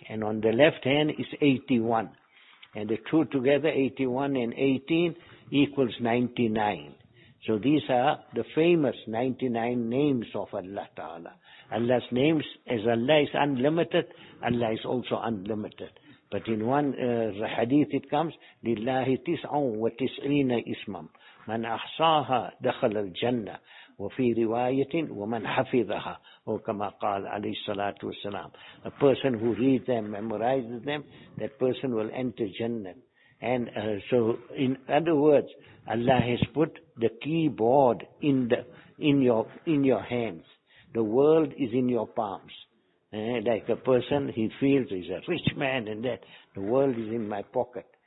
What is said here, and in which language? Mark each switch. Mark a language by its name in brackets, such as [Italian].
[English] And on the left hand is 81. And the two together, 81 and 18, equals 99. So these are the famous 99 names of Allah Ta'ala. Allah's names, as Allah is unlimited, Allah is also unlimited. But in one hadith it comes, [Arabic] لِلَّهِ تِسْعُوا وَتِسْعِينَ إِسْمًا مَنْ أَحْصَاهَا دَخَلَ الْجَنَّةِ وَفِي رِوَايَةٍ وَمَنْ حَفِظَهَا أو كَمَا قَالَ عَلَيْهِ الصَّلَاةُ وَالسَّلَامُ. [English] A person who reads them, memorizes them, that person will enter Jannah. And so, in other words, Allah has put the keyboard in your hands. The world is in your palms. Like a person, he feels he's a rich man, and that the world is in my pocket.